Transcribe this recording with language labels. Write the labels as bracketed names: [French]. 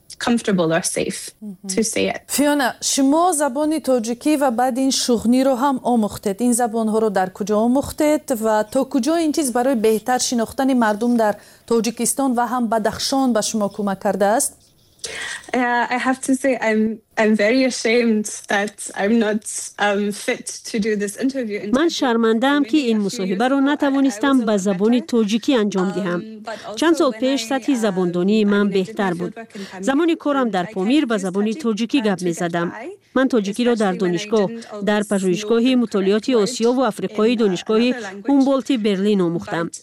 [English] comfortable or safe to say it. [Persian] Fiona, شما زبان تاجیکی و بعد این شغنی رو هم آموختید. این زبان ها رو در کجا آموختید و تا کجا این چیز برای بهتر شناختن مردم در تاجیکستان و هم بدخشان به شما کمک کرده است؟ [English] I have to say I'm very ashamed that I'm not fit to do this interview. [Persian] من شرمنده ام که این مصاحبه رو نتوانستم به زبان تاجیکی انجام دهم. چند سال پیش سطح زبان دانی من بهتر بود. زمانی کارم در پامیر به زبان تاجیکی گپ می زدم. من تاجیکی را در دانشگاه در پژوهشگاه مطالعات آسیا و آفریقای دانشگاه هومبولت برلین آموختم.